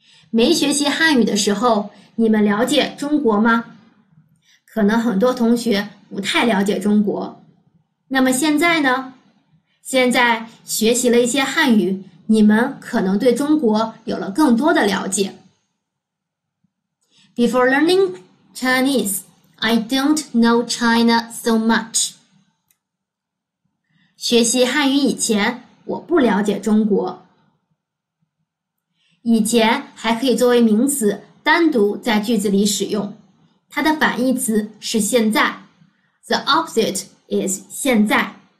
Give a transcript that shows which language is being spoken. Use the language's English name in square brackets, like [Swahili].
[Chinese] 没学习汉语的时候，你们了解中国吗？可能很多同学不太了解中国。那么现在呢？现在学习了一些汉语，你们可能对中国有了更多的了解。 [English] Before learning Chinese, I don't know China so much. [Chinese] 学习汉语以前，我不了解中国。以前还可以作为名词单独在句子里使用，它的反义词是现在。 [English] The opposite is 现在。